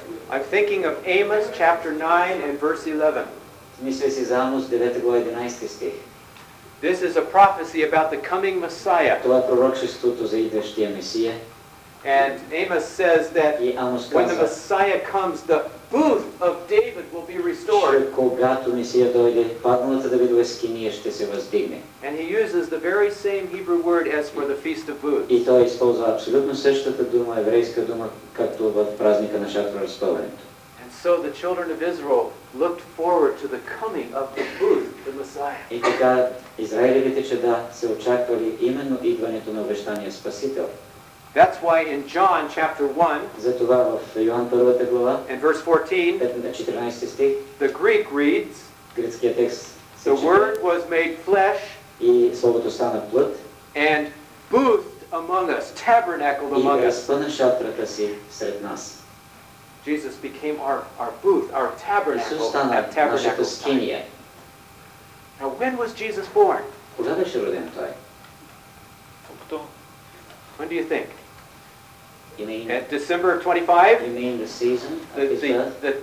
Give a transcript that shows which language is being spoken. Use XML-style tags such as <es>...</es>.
<en>I'm thinking of Amos chapter 9 and verse 11.</en> <bg>Мисля си за Амос 9 глава 11 стих.</bg> <en>This is a prophecy about the coming Messiah.</en> <bg>Това е пророчеството за идващия Месия.</bg> <en>And Amos says that when the Messiah comes, the booth of David will be restored.</en> <bg>Когато Месия дойде, падналата Давидова скиния ще се въздигне.</bg> <en>And he uses the very same Hebrew word as for the Feast of Booths.</en> <bg>И той използва абсолютно същата дума, еврейска дума, както в празника на шатра разтоването.</bg> <en>And so the children of Israel looked forward to the coming of the booth, the Messiah.</en> <bg>И така израелевите чада се очаквали именно идването на обещания Спасител.</bg> <en>That's why in John chapter 1,</en> <bg>затова в Йоан първата глава,</bg> <en>in verse 14,</en> <bg>стих,</bg> <en>the Greek reads,</en> <bg>гръцкият текст,</bg> <en>the word was made flesh,</en> <bg>и словото стана плът,</bg> <en>and boothed among us, tabernacled among us.</en> <bg>И разпъна шатрата си сред нас.</bg> <en>Jesus became our booth, our tabernacle,</en> <bg>Исус стана</bg> <en>at tabernacle</en> <bg>нашата скиния.</bg> <en>Now when was Jesus born?</en> <bg>Кога беше роден той?</bg> <en>When do you think? You mean at December 25? You mean the season of his birth?</en>